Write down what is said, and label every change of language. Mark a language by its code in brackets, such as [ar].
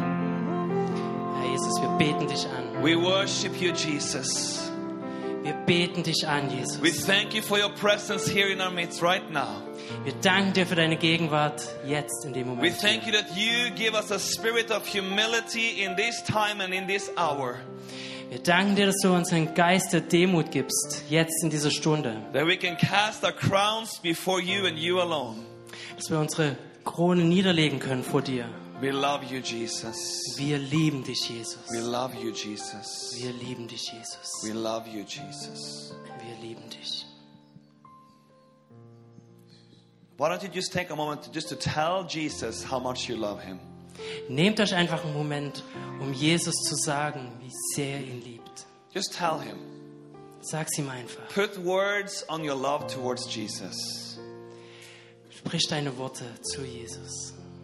[de] Herr Jesus, wir beten dich an. [en] We worship you, Jesus. [de] Wir beten dich an, Jesus. [en] We thank you for your presence here in our midst right now. [de] Wir danken dir für deine Gegenwart jetzt in dem Moment. [en] We thank you that you give us a spirit of humility in this time and in this hour. [de] Wir danken dir, dass du uns einen Geist der Demut gibst jetzt in dieser Stunde. [en] That we can cast our crowns before you and you alone. [de] Dass wir unsere Krone niederlegen können vor dir. [en] We love you, Jesus. [de] Wir lieben dich, Jesus. [en] We love you, Jesus. [de] Wir lieben dich, Jesus. [en] We love you, Jesus. [de] Wir lieben dich. [en] Why don't you just take a moment just to tell Jesus how much you love him? [de] Nehmt euch einfach einen Moment, um Jesus zu sagen, wie sehr ihn liebt. [en] Just tell him. [de] Sag's ihm einfach. [en] Put words on your love towards Jesus. [de] Sprich deine Worte zu Jesus.